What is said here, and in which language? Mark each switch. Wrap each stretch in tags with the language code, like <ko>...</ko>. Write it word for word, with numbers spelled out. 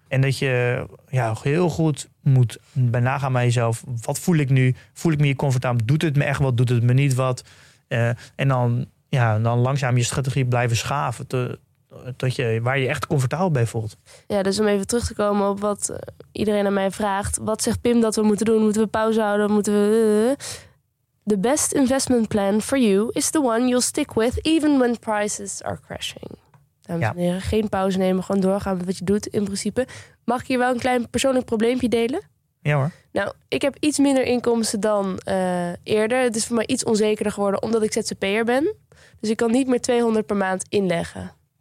<nl>En dat je ja, heel goed moet nagaan bij jezelf. Wat voel ik nu? Voel ik me hier comfortabel? Doet het me echt wat? Doet het me niet wat? Uh, en dan, ja, dan langzaam je strategie blijven schaven. Te, tot je, waar je echt comfortabel bij voelt. Ja, dus om even terug te komen op wat iedereen aan mij vraagt. Wat zegt Pim dat we moeten doen? Moeten we pauze houden? Moeten we...</nl> <en>The best investment plan for you is the one you'll stick with even when prices are crashing.</en> <nl>Dames ja. en heren, geen pauze nemen, gewoon doorgaan met wat je doet in principe. Mag ik hier wel een klein persoonlijk probleempje delen? Ja hoor. Nou, ik heb iets minder inkomsten dan uh, eerder. Het is voor mij iets onzekerder geworden omdat ik Z Z P'er ben. Dus ik kan niet meer tweehonderd per maand inleggen.</nl>